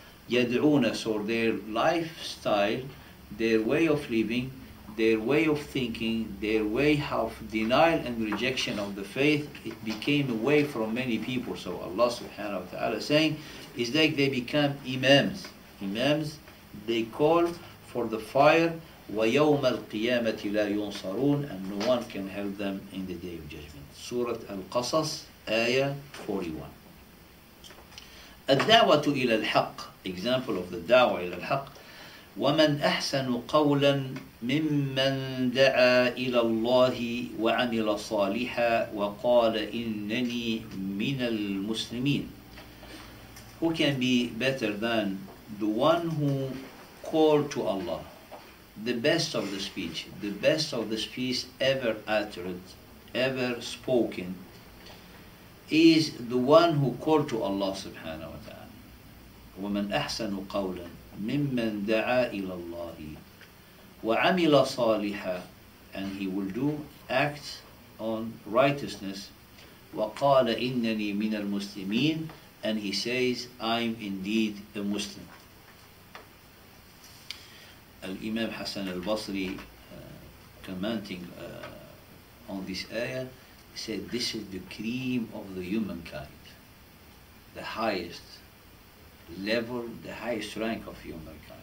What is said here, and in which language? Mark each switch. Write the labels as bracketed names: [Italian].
[English] Yad'unas, or their lifestyle, their way of living, their way of thinking, their way of denial and rejection of the faith, it became a way for many people. So Allah subhanahu wa ta'ala saying, is like they become imams. Imams, they call for the fire, [Arabic] وَيَوْمَ الْقِيَامَةِ لَا يُنصَرُونَ, [English] and no one can help them in the day of judgment. Surah Al-Qasas, Ayah 41. [Arabic] الدَّعْوَةُ إِلَى الْحَقِّ, [English] example of the da'wah ila [Arabic] الْحَقِّ, وَمَنْ أَحْسَنُ قَوْلًا مِمَّنْ دَعَى إِلَى اللَّهِ وَعَمِلَ صَالِحًا وَقَالَ إِنَّنِي مِنَ الْمُسْلِمِينَ. [English] Who can be better than the one who called to Allah? The best of the speech, the best of the speech ever uttered, ever spoken, is the one who called to Allah subhanahu wa ta'ala. [Arabic] وَمَنْ أَحْسَنُ قَوْلًا مِمَّنْ دَعَى إِلَى اللَّهِ وَعَمِلَ صَالِحًا, [English] and he will do acts on righteousness. [Arabic] وَقَالَ إِنَّنِي مِنَ الْمُسْلِمِينَ, [English] and he says, I'm indeed a Muslim. Al-Imam Hassan al-Basri, commenting on this ayah, said, this is the cream of the humankind, the highest level, the highest rank of humankind.